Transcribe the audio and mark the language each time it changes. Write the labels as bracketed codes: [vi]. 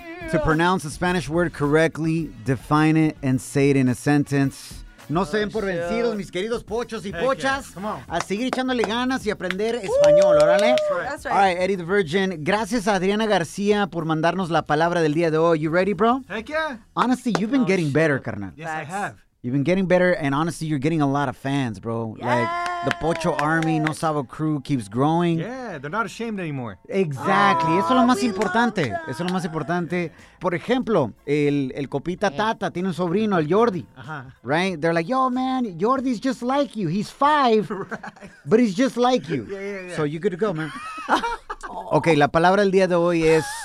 [en] To pronounce a Spanish word correctly, define it, and say it in a sentence. [es] No se den por vencidos, mis queridos pochos y pochas. A seguir echándole ganas y aprender español, órale. [en] That's right. All right, Eddie the Virgin. [es] Gracias a Adriana García por mandarnos la palabra del día de hoy. [en] You ready, bro? Heck yeah. Honestly, you've been getting better, carnal. Yes, I have. You've been getting better, and honestly, you're getting a lot of fans, bro. Yeah. Like, the Pocho Army, No Sabo Crew keeps growing. Yeah, they're not ashamed anymore. [es] Exactly. Oh, eso es lo más importante. Eso es lo más importante. Por ejemplo, el copita Tata tiene un sobrino, el Jordi. Uh-huh. [en] Right? They're like, yo, man, Jordi's just like you. He's five, right. But he's just like you. Yeah, yeah, yeah. So you're good to go, man. [es] Okay, la palabra del día de hoy es...